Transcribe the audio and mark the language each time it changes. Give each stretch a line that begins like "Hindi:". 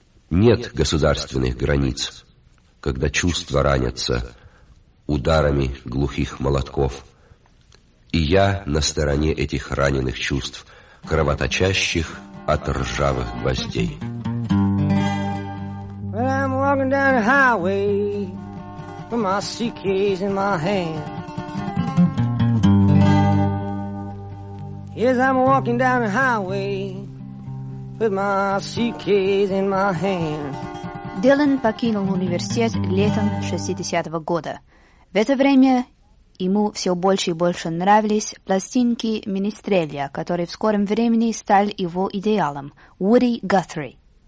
Russian: Нет государственных границ, когда чувства ранятся ударами глухих молотков. И я на стороне этих раненых чувств, кровоточащих от ржавых гвоздей.
English: Well, I'm walking down the highway with my suitcase in my hand. Yes, I'm walking down the highway with my suitcase in my hand.
Russian: Дилан покинул университет летом 60-го года. В это время ему все больше и больше нравились пластинки Минестреля, которые в скором времени стали его идеалом – Вуди Гатри.